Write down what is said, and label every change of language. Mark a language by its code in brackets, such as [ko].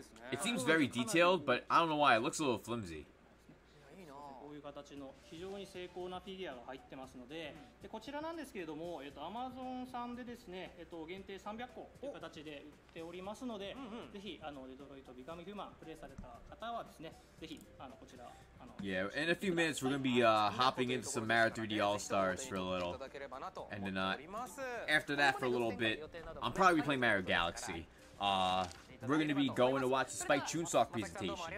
[en] It seems very detailed, but I don't know why. It looks a little flimsy. [ja] という形の非常に精巧なフィギュアが入ってますの で、うん、でこちらなんですけれども、Amazon さんでですね、限定300個という形で売っておりますので、うんうん、ぜひあのデトロイトビカムヒューマンプレイされた方はですね、ぜひあのこちら、あの [en] Yeah, in a few minutes we're going to be hopping into some Mario 3D All-Stars for a little and then after that for a little bit I'm probably playing Mario Galaxy we're going to be going to watch the Spike Chunsoft presentation.